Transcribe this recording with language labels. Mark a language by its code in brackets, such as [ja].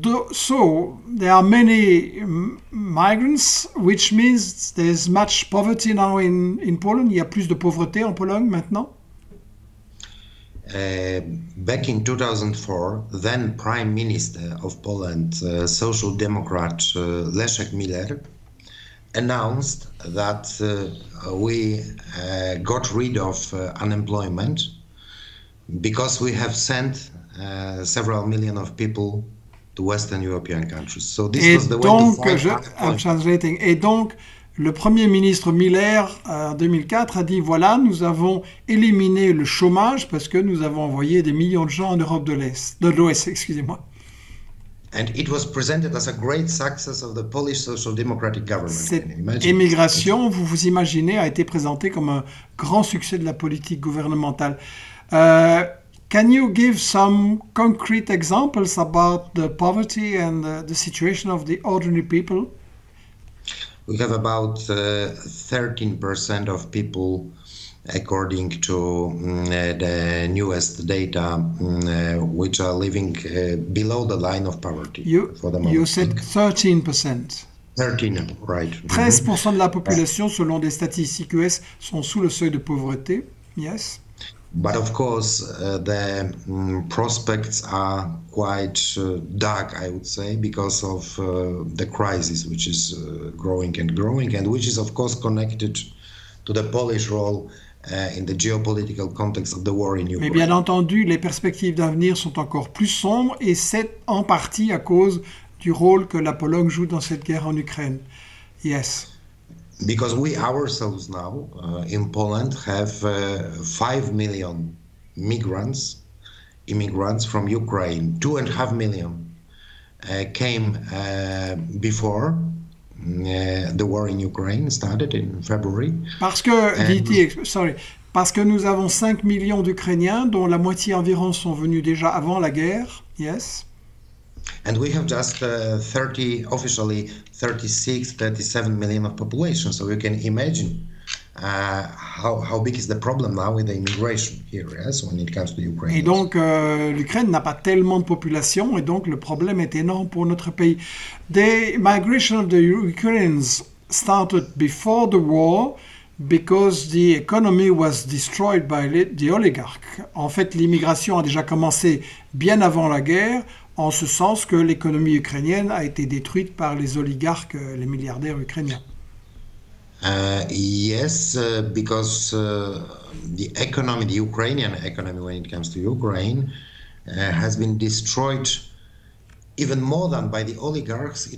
[en] So there are many migrants, which means there's much poverty now in Poland. [fr] Il y a plus de pauvreté en Pologne maintenant. [en] Back in 2004, then Prime Minister of Poland, Social Democrat Leszek Miller, announced that we got rid of unemployment because we have sent several million of people to Western European countries. So this [fr] et [en] was the [fr] donc, [en] way to fight [fr] je, [en] unemployment. I'm translating. [fr] Et donc, le Premier ministre Miller, en 2004, a dit « Voilà, nous avons éliminé le chômage parce que nous avons envoyé des millions de gens en Europe de l'Est, de l'Ouest, excusez-moi. » [en] And it was presented as a great success of the Polish Social Democratic government. [fr] Cette émigration, vous vous imaginez, a été présentée comme un grand succès de la politique gouvernementale. [en] Can you give some concrete examples about the poverty and the situation of the ordinary people? We have about 13% of people, according to the newest data, which are living below the line of poverty for the moment. You said 13%. 13, right. [fr] 13% de la population, selon des statistiques US, sont sous le seuil de pauvreté, yes. [en] But of course, the prospects are quite dark, I would say, because of the crisis, which is growing and growing, and which is, of course, connected to the Polish role in the geopolitical context of the war in Ukraine. [fr] Mais bien entendu, les perspectives d'avenir sont encore plus sombres, et c'est en partie à cause du rôle que la Pologne joue dans cette guerre en Ukraine. [en] Yes. Because we ourselves now in Poland have 5 million immigrants from Ukraine. 2.5 million came before the war in Ukraine started in February. [fr] Parce que, parce que nous avons 5 millions d'Ukrainiens, dont la moitié environ sont venus déjà avant la guerre. [en] Yes. And we have just 36-37 million of population, so you can imagine how big is the problem now with the immigration here, yes, when it comes to Ukraine. [fr] Et donc l'Ukraine n'a pas tellement de population, et donc le problème est énorme pour notre pays. [en] The migration of the Ukrainians started before the war because the economy was destroyed by the oligarchs. [fr] En fait, l'immigration a déjà commencé bien avant la guerre, en ce sens que l'économie ukrainienne a été détruite par les oligarques, les milliardaires ukrainiens. [en] Yes, because the economy, the Ukrainian economy when it comes to Ukraine, has been destroyed even more than by the oligarchs.